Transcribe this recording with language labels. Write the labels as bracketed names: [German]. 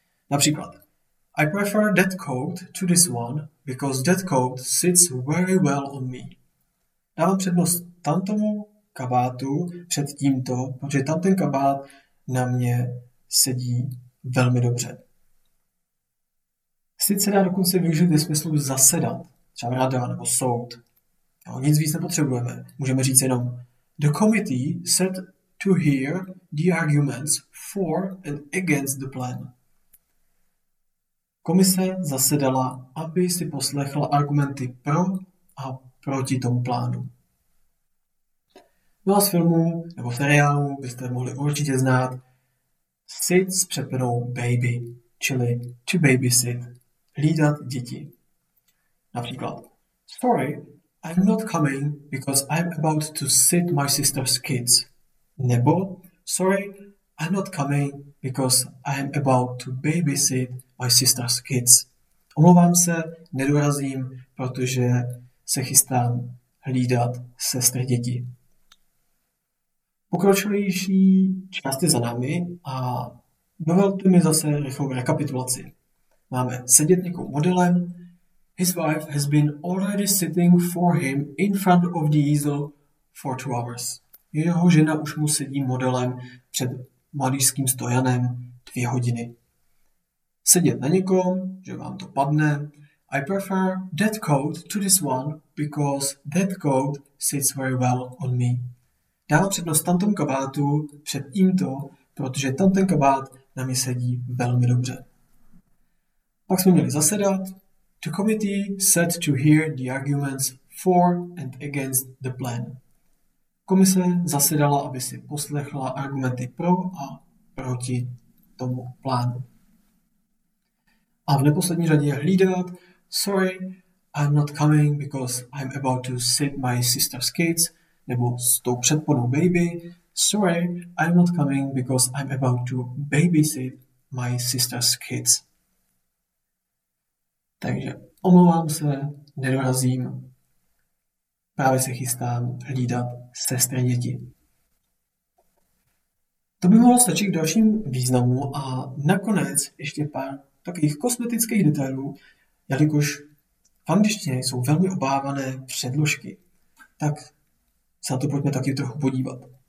[Czech] Například, [English] I prefer that coat to this one, because that coat sits very well on me. [Czech] Dávám přednost tamtomu kabátu před tímto, protože tamten kabát na mě sedí velmi dobře. Sit se dá dokonce využít ve smyslu zasedat, třeba rada nebo soud. No, nic víc nepotřebujeme. Můžeme říct jenom [English] the committee sat to hear the arguments for and against the plan. [Czech] Komise zasedala, aby si poslechla argumenty pro a proti tomu plánu. No a z filmu nebo seriálu byste mohli určitě znát sit s přepenou baby, čili to babysit, hlídat děti. Například, [English] sorry, I'm not coming because I'm about to sit my sister's kids. [Czech] Nebo, [English] sorry, I'm not coming because I'm about to babysit my sister's kids. [Czech] Omlouvám se, nedorazím, protože se chystám hlídat sestry děti. Pokročilejší části za námi a dovolte mi zase rychlou rekapitulaci. Máme sedět někou modelem. [English] His wife has been already sitting for him in front of the easel for 2 hours. [Czech] Jeho žena už mu sedí modelem před malířským stojanem 2 hodiny. Sedět na někom, že vám to padne. [English] I prefer that coat to this one, because that coat sits very well on me. [Czech] Dávám přednost tamtom kabátu před tímto, protože tamten kabát na mě sedí velmi dobře. Pak jsme měli zasedat. [English] The committee sat to hear the arguments for and against the plan. [Czech] Komise zasedala, aby si poslechla argumenty pro a proti tomu plánu. A v neposlední řadě hlídat. [English] Sorry, I'm not coming because I'm about to sit my sister's kids. [Czech] Nebo s tou předponou baby. [English] Sorry, I'm not coming because I'm about to babysit my sister's kids. [Czech] Takže omlouvám se, nedorazím, právě se chystám hlídat sestry děti. To by mohlo stačit k dalším významu a nakonec ještě pár takových kosmetických detailů, jelikož v angličtině jsou velmi obávané předložky, tak se na to pojďme taky trochu podívat.